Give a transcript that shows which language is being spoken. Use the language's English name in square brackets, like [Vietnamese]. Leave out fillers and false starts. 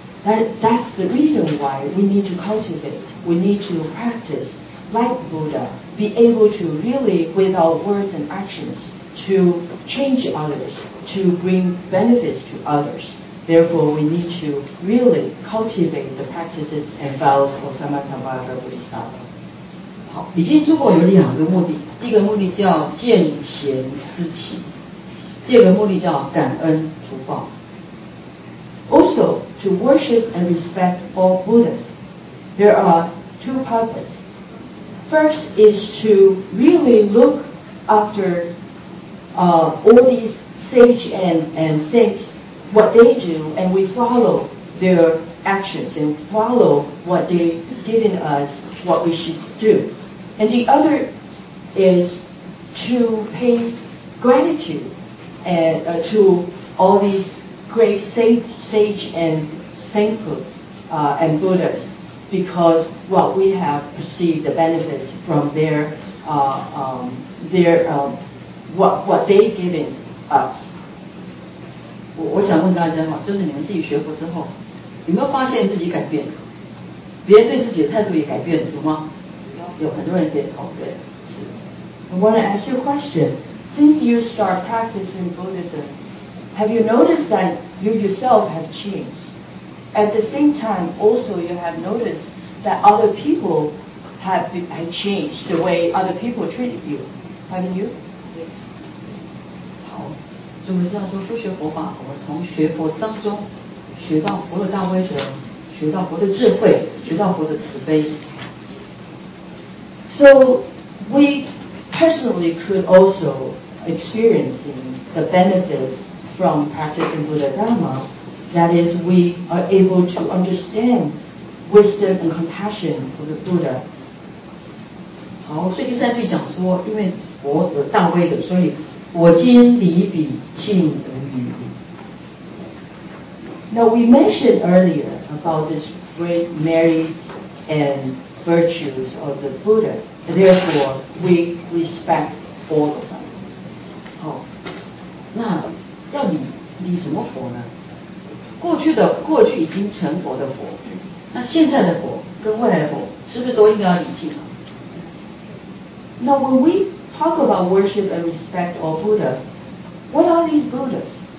[English] That's the reason why we need to cultivate. We need to practice. Like Buddha, be able to really, with our words and actions, to change others, to bring benefits to others. Therefore, we need to really cultivate the practices and vows of Samatthavada Bodhisattva. [Chinese] 好，礼敬诸佛有两个目的，第一个目的叫见贤思齐，第二个目的叫感恩福报。 [English] Also, to worship and respect all Buddhas, there are two purposes. First is to really look after all these sage and saints, what they do, and we follow their actions and follow what they've given us, what we should do. And the other is to pay gratitude to all these great sage and sainthood and Buddhas because, well, we have perceived the benefits from what they giving us. [Chinese] 我想问大家哈，就是你们自己学佛之后，有没有发现自己改变？别人对自己的态度也改变，有吗？有很多人点头，对，是。 [English] I want to ask you a question. Since you start practicing Buddhism, have you noticed that you yourself have changed? At the same time, also you have noticed that other people have changed the way other people treated you, haven't you? Yes. [Chinese] 好，就我们这样说，不学佛法，我们从学佛当中学到佛的大威德，学到佛的智慧，学到佛的慈悲。 [English] So we. Personally could also experience the benefits from practicing Buddha Dhamma, that is, we are able to understand wisdom and compassion for the Buddha. [Chinese] 好，所以第三句讲说，因为佛的大威德，所以我今离彼敬而远离。 [English] Now we mentioned earlier about this great merits and virtues of the Buddha. Therefore, we respect all of them. [Chinese] 好，那要礼礼什么佛呢？过去已经成佛的佛，那现在的佛跟未来的佛，是不是都应该要礼敬啊？ [English] Now, when we talk about worship and respect all Buddhas, what are these Buddhas?